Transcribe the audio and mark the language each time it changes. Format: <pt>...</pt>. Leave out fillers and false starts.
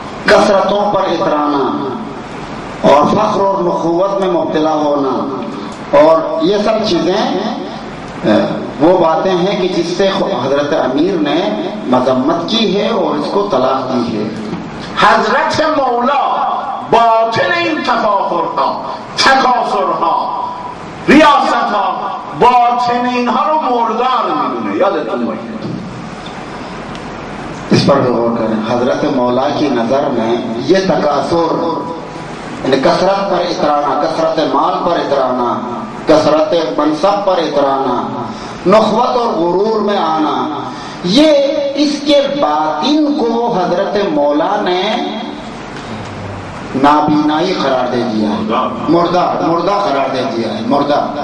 <ur>کثرتوں پر اترانا اور فخر اور نخوت میں مبتلا ہونا, اور یہ سب چیزیں وہ باتیں ہیں کہ جس سے حضرت امیر نے مذمت کی ہے اور اس کو طلاق دی ہے.</ur> <fa>حضرت مولا باطن این تفاخرها, تکاثرها, ریاستها, باطن اینها رو مردار میدونه. یادتون باشه</fa> <ur>اس پر غور کریں, حضرت مولا کی نظر میں یہ تکاثر یعنی کثرت پر اترانا, کثرت مال پر اترانا, کثرت منصب پر اترانا, نخوت اور غرور میں آنا, یہ اس کے باطن کو حضرت مولا نے نابینائی قرار دے دیا ہے, مردہ مردہ قرار دے دیا ہے, مردہ</ur>